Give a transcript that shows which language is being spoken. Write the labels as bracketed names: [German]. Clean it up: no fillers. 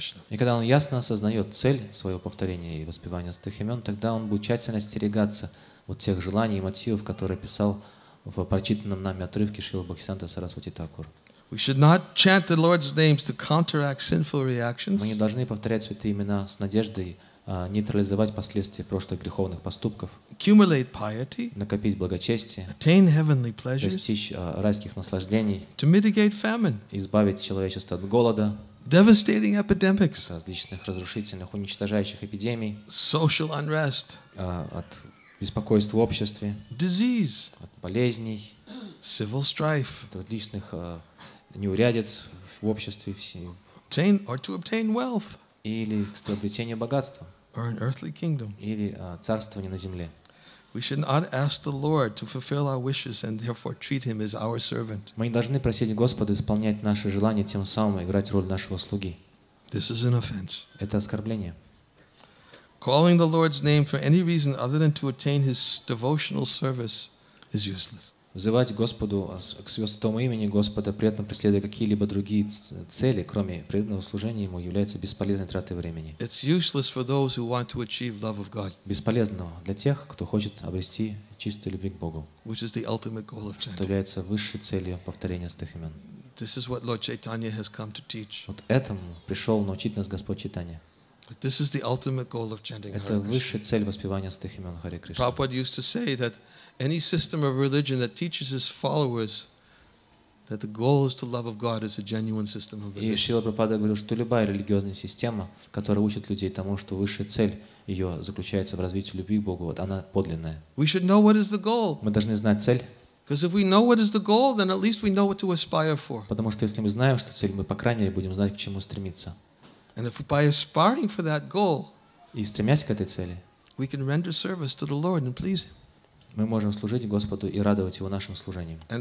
[Russian] И когда он ясно осознает цель своего повторения и воспевания святых имен, тогда он будет тщательно остерегаться вот тех желаний и мотивов, которые писал в прочитанном нами отрывке Шрила Бхактисиддханта Сарасвати Такур. [English] We should not chant the Lord's names to counteract sinful reactions. [Russian] Мы не должны повторять святые имена с надеждой нейтрализовать последствия прошлых греховных поступков, [English] accumulate piety, [Russian] накопить благочестие, [English] attain heavenly pleasures, [Russian] достичь райских наслаждений, [English] to mitigate famine, [Russian] избавить человечество от голода, [English] devastating epidemics, [Russian] различных разрушительных, уничтожающих эпидемий, [English] social unrest, [Russian] от беспокойств в обществе, [English] disease, [Russian] от болезней, [English] civil strife, [Russian] от различных неурядиц в обществе, [English] attain, or to obtain wealth, [Russian] или к приобретению богатства, [English] or an earthly kingdom, [Russian] или царствование на земле. [English] We should not ask the Lord to fulfill our wishes and therefore treat Him as our servant. [Russian] Мы не должны просить Господа исполнять наши желания, тем самым играть роль нашего слуги. [English] This is an offense. [Russian] Это оскорбление. [English] Calling the Lord's name for any reason other than to attain His devotional service is useless. [Russian] Взывать Господу к святому имени Господа, при этом преследуя какие-либо другие цели, кроме преданного служения Ему, является бесполезной тратой времени. [English] It's useless for those who want to achieve love of God. [Russian] Бесполезного для тех, кто хочет обрести чистую любовь к Богу. [English] Which is the ultimate goal of chanting. [Russian] Что является высшей целью повторения святых имен. [English] This is what Lord Chaitanya has come to teach. [Russian] Вот этому пришел научить нас Господь Чайтанья. [English] This is the ultimate goal of chanting Hare [Russian] Krishna. Это высшая цель воспевания святых имен Харе Кришна. [English] Prabhupada used to say that any system of religion that teaches his followers that the goal is to love of God is a genuine system of religion. [Russian] И Шрила Прабхупада говорил, что любая религиозная система, которая учит людей тому, что высшая цель ее заключается в развитии любви к Богу, вот она подлинная. [English] We should know what is the goal. [Russian] Мы должны знать цель. [English] Because if we know what is the goal, then at least we know what to aspire for. [Russian] Потому что если мы знаем, что цель, мы по крайней мере будем знать, к чему стремиться. [English] And if by aspiring for that goal, [Russian] и стремясь к этой цели, [English] we can render service to the Lord and please Him. [Russian] Мы можем служить Господу и радовать Его нашим служением.